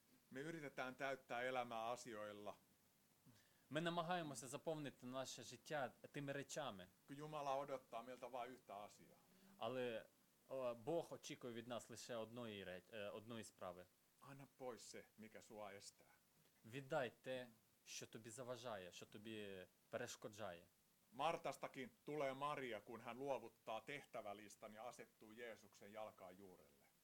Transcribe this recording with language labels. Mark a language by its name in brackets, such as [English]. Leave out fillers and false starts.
[Ukrainian] Ми [Finnish] yritetään täyttää elämää asioilla. [Ukrainian] Ми намагаємося заповнити наше життя тими речами. [Finnish] Kun Jumala odottaa meiltä vain yhtä asiaa. [Ukrainian] Але Бог очікує від нас лише одної одної справи. [Finnish] Anna pois se, mikä sua estää. [Ukrainian] Віддай те, що тобі заважає, що тобі перешкоджає. [Finnish] Martastakin tulee Maria, kun hän luovuttaa tehtävälistan ja asettuu Jeesuksen jalkaan juurelle.